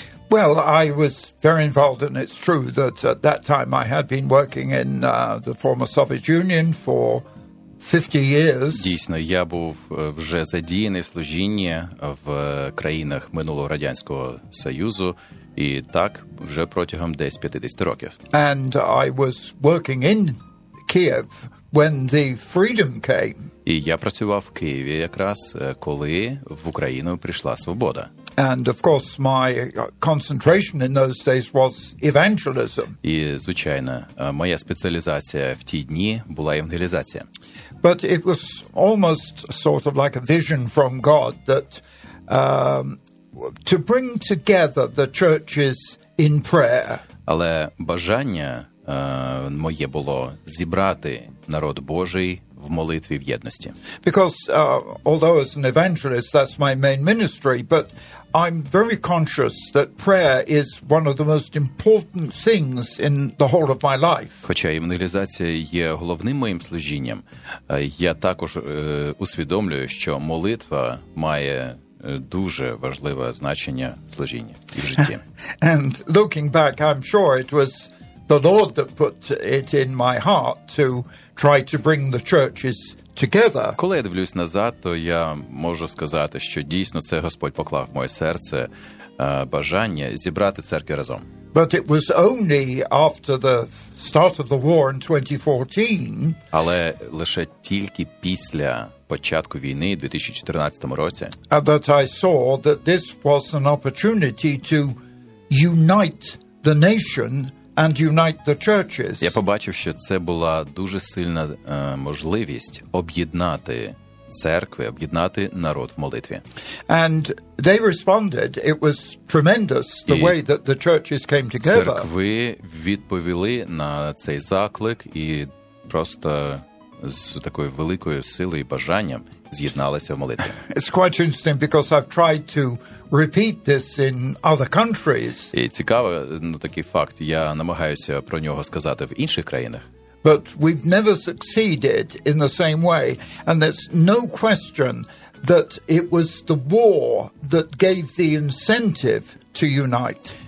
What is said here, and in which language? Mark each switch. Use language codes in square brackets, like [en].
[en] Well, I was very involved, and it's true that at that time I had been working in the former Soviet Union for 50 years. [uk] Дійсно, я був вже задіяний в служінні в країнах минулого Радянського Союзу, і так вже протягом десь 50 років. [en] And I was working in Kiev when the freedom came. [uk] І я працював в Києві якраз, коли в Україну прийшла свобода. [en] And of course my concentration in those days was evangelism. [uk] І, звичайно, моя спеціалізація в ті дні була евангелізація. [en] But it was almost sort of like a vision from God that to bring together the churches in prayer. [uk] Але бажання моє було зібрати народ Божий в молитві, в єдності. [en] Because although as an evangelist that's my main ministry, but I'm very conscious that prayer is one of the most important things in the whole of my life. [uk] Хоча евангелізація є головним моїм служінням, я також усвідомлюю, що молитва має дуже важливе значення в служінні і в житті. [en] And looking back, I'm sure it was the Lord that put it in my heart to try to bring the churches together. [uk] Коли я дивлюсь назад, то я можу сказати, що дійсно це Господь поклав в моє серце бажання зібрати церкви разом. [en] But it was only after the start of the war in 2014. [uk] Але лише тільки після початку війни в 2014 році. [en] That I saw that this was an opportunity to unite the nation and unite the churches. [uk] Я побачив, що це була дуже сильна можливість об'єднати церкви, об'єднати народ в молитві. [en] And they responded. It was tremendous the way that the churches came together. [uk] Церкви відповіли на цей заклик і просто з такою великою силою і бажанням з'єдналися в молитві. [en] It's quite interesting because I've tried to repeat this in other countries. [uk] І цікаво, ну, такий факт. Я намагаюся про нього сказати в інших країнах. [en] But we've never succeeded in the same way. And there's no question that it was the war that gave the incentive to unite.